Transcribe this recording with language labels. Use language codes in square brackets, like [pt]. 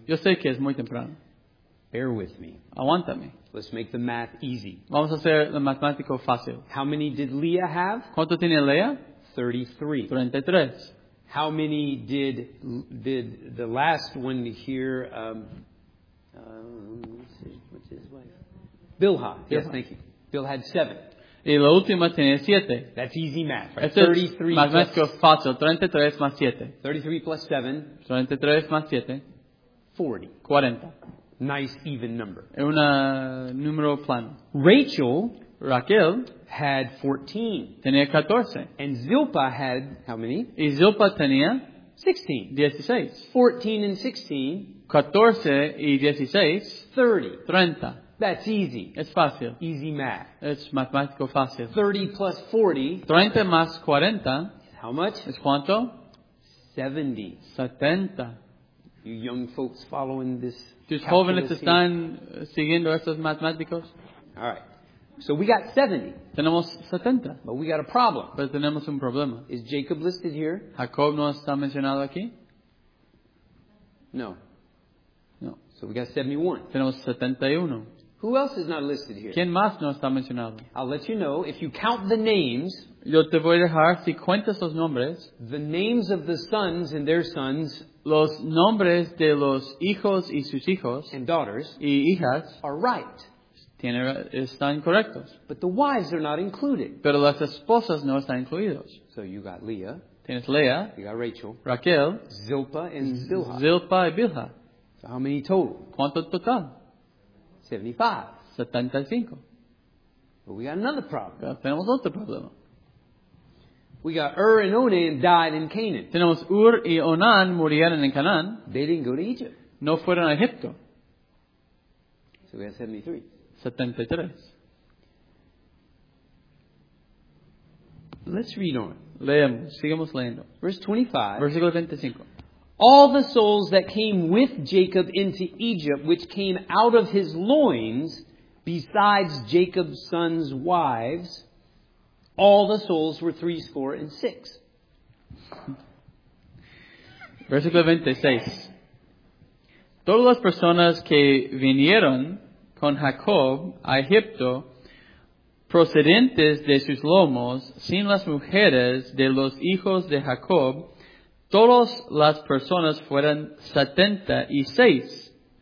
[es] Yo sé que es muy temprano. [en] Bear with me. [es] Aguántame. [en] Let's make the math easy. [es] Vamos a hacer el matemático fácil. [en] How many did Leah have? [es] ¿Cuánto tiene Leah? [en] 33. How many did the last one here? Let's see, what's his wife? Bilhah. Yes, thank you. Bill had 7. [es] Y la última tenía 7. [en] That's easy math, right? [es] Este 33 más plus... Más fácil. 33 más 7. [en] 33 plus 7. [es] 33 más 7. [en] 40. [es] 40. [en] Nice, even number. [es] Es un número plano. [en] Raquel had 14. [es] Tenía 14. [en] And Zilpah had how many? [es] Y Zilpah tenía [en] 16. [es] 16. [en] 14 and 16. [es] 14 y 16. [en] 30. [es] 30. [en] That's easy. [es] Es fácil. [en] Easy math. [es] Es matemático fácil. [en] 30 plus 40. [es] 30 más 40. [en] How much? [es] Es cuánto? [en] 70. [es] 70. [en] You young folks following this. [es] Tus jóvenes están siguiendo estos matemáticos. [en] All right. So we got 70. [es] Tenemos 70. [en] But we got a problem. [es] Pero tenemos un problema. [en] Is Jacob listed here? [es] Jacob no está mencionado aquí. [en] No. [es] No. [en] So we got 71. [es] Tenemos 71. [en] Who else is not listed here? [es] ¿Quién más no está mencionado? [en] I'll let you know if you count the names. [es] Yo te voy a dejar si cuentas los nombres. [en] The names of the sons and their sons. [es] Los nombres de los hijos y sus hijos. [en] And daughters. [es] Y hijas. [en] Are right. [es] Están correctos. [en] But the wives are not included. [es] Pero las esposas no están incluidos. [en] So you got Leah. [es] Tienes Leah. [en] You got Rachel. [es] Raquel. [en] Zilpah and Bilhah. [es] Zilpah y Bilhah. [en] So how many total? [es] ¿Cuánto total? [en] 75. But we got another problem. [es] Ya tenemos otro problema. [en] We got Ur and Onan died in Canaan. [es] Tenemos Ur y Onan murieron en Canaán. [en] They didn't go to Egypt. [es] No fueron a Egipto. [en] So we got 73. [es] 73. [en] Let's read on. [es] Leemos. Sigamos leyendo. [en] Verse 25. [es] Versículo 25. [en] All the souls that came with Jacob into Egypt, which came out of his loins, besides Jacob's sons' wives, all the souls were 66. [es] Versículo 26. Todas las personas que vinieron con Jacob a Egipto, procedentes de sus lomos, sin las mujeres de los hijos de Jacob, todas las personas fueron 76.